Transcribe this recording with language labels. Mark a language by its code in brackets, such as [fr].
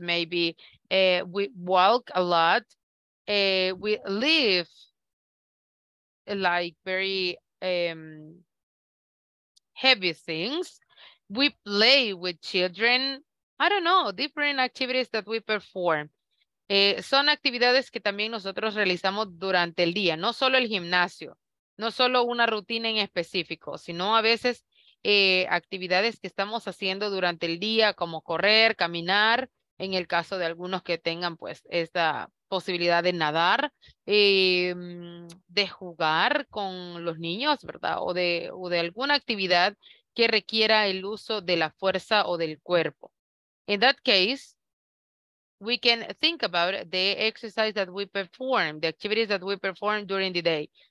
[en] Maybe we walk a lot. We live like very heavy things. We play with children. I don't know, different activities that we perform. [es] Son actividades que también nosotros realizamos durante el día, no solo el gimnasio, no solo una rutina en específico, sino a veces actividades que estamos haciendo durante el día, como correr, caminar, en el caso de algunos que tengan pues esta posibilidad de nadar, de jugar con los niños, ¿verdad? O de alguna actividad que requiera el uso de la fuerza o del cuerpo. [en] In that case, we can think about the exercise that we perform, the activities that we perform during the day.